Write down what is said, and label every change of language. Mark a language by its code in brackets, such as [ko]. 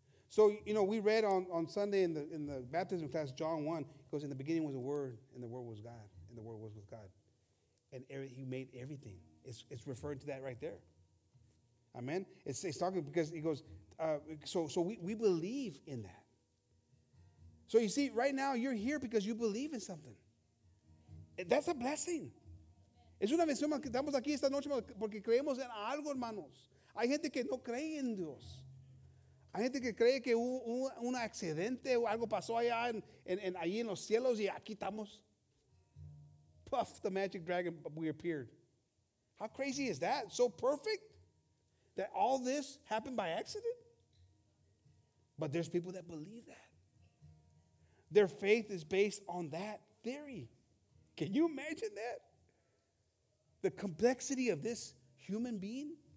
[en] So, you know, we read on Sunday in the baptism class, John 1, it goes, in the beginning was the Word, and the Word was God, and the Word was with God. And he made everything. It's referring to that right there. Amen? It's talking because he goes, so we believe in that. So you see, right now you're here because you believe in something. That's a blessing. [es] Es una bendición que estamos aquí esta noche porque creemos en algo, hermanos. Hay gente que no cree en Dios. Hay gente que cree que hubo un accidente o algo pasó allá en allí en los cielos y aquí estamos. [en] Puff, the magic dragon, we appeared. How crazy is that? So perfect that all this happened by accident? But there's people that believe that. Their faith is based on that theory. Can you imagine that? The complexity of this human being?